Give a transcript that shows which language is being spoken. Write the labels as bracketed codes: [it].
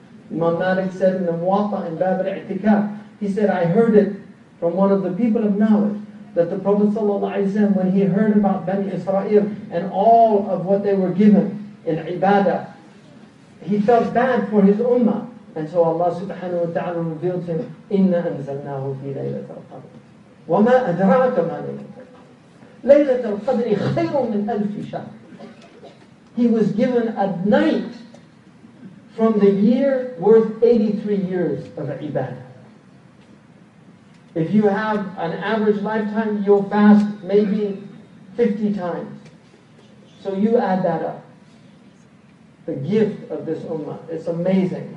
[en] Imam Malik said in the Muwatta in Bab al-I'tikaf, he said, I heard it from one of the people of knowledge that the Prophet ﷺ, when he heard about Bani Israel and all of what they were given in ibadah, he felt bad for his ummah. And so Allah subhanahu wa ta'ala revealed to him, [ar] إِنَّا أَنزَلْنَاهُ فِي لَيْلَةَ الْقَدْرِ وَمَا أَدْرَاكَ مَا لَيْلَةَ الْقَدْرِ لَيْلَةَ الْقَدْرِ خَيْرٌ مِنْ أَلْفِ شَهْرٍ. [en] He was given a night from the year worth 83 years of ibadah. If you have an average lifetime, you'll fast maybe 50 times. So you add that up. The gift of this ummah. It's amazing.